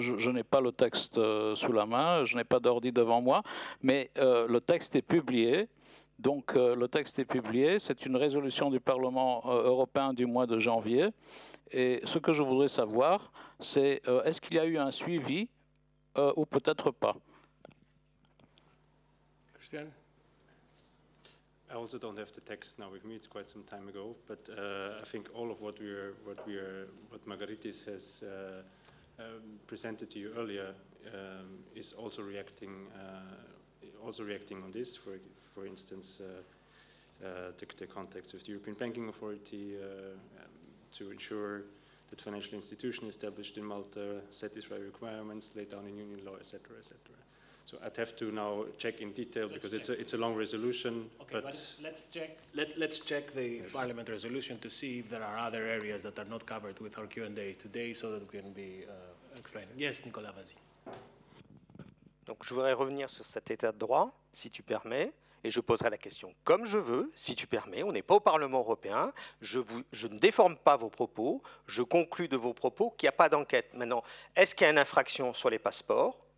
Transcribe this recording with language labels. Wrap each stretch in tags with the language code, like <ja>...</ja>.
<fr>Je n'ai pas le texte sous la main, je n'ai pas d'ordi devant moi, mais le texte est publié. Donc le texte est publié, c'est une résolution du Parlement européen du mois de janvier. Et ce que je voudrais savoir, c'est est-ce qu'il y a eu un suivi ou peut-être pas. Christian.</fr> <en>I also don't have the text now with me. It's quite some time ago, but I think all of what Margaritis has presented to you earlier is also reacting on this. For instance, the context of the European Banking Authority to ensure that financial institutions established in Malta satisfy requirements laid down in union law, etc. So I'd have to now check in detail it's a long resolution. Okay, but let's check the yes. Parliament resolution to see if there are other areas that are not covered with our Q&A today, so that we can be explaining. Yes,</en> <fr>Nicolas, vas-y. Donc je voudrais revenir sur cet état de droit, si tu permets, et je poserai la question comme je veux, si tu permets. On n'est pas au Parlement européen. Je ne déforme pas vos propos. Je conclus de vos propos qu'il n'y a pas d'enquête. Maintenant, est-ce qu'il y a une infraction sur les passeports?</fr>